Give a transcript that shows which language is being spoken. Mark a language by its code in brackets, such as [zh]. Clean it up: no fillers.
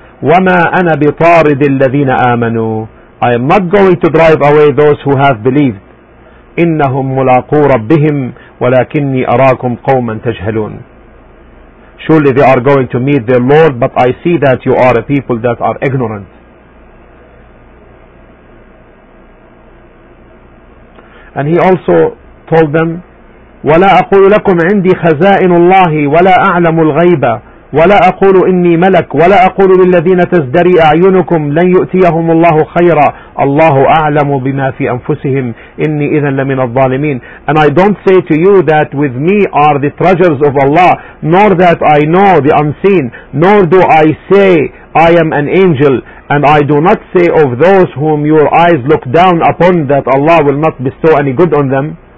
[ar] وَمَا أَنَا بِطَارِدِ الَّذِينَ آمَنُوا, [en] I am not going to drive away those who have believed. [ar] إِنَّهُمْ مُلَاقُوا رَبِّهِمْ وَلَكِنِّي أَرَاكُمْ قَوْمًا تَجْهَلُونَ. [en] Surely they are going to meet their Lord, but I see that you are a people that are ignorant. And he also told them, [ar] وَلَا أَقُولُ لَكُمْ عِنْدِي خَزَائِنُ اللَّهِ وَلَا أَعْلَمُ الْغَيْبَ وَلَا أَقُولُ إِنِّي مَلَكٌ وَلَا أَقُولُ لِلَّذِينَ تَزْدَرِي أَعْيُنُكُمْ لَنْ يُؤْتِيَهُمُ اللَّهُ خَيْرًا اللَّهُ أَعْلَمُ بِمَا فِي أَنفُسِهِمْ إِنِّي إِذًا لَمِنَ الظَّالِمِينَ. [en] And I don't say to you that with me are the treasures of Allah, nor that I know the unseen, nor do I say I am an angel. And I do not say of those whom your eyes look down upon that Allah will not bestow any good on them.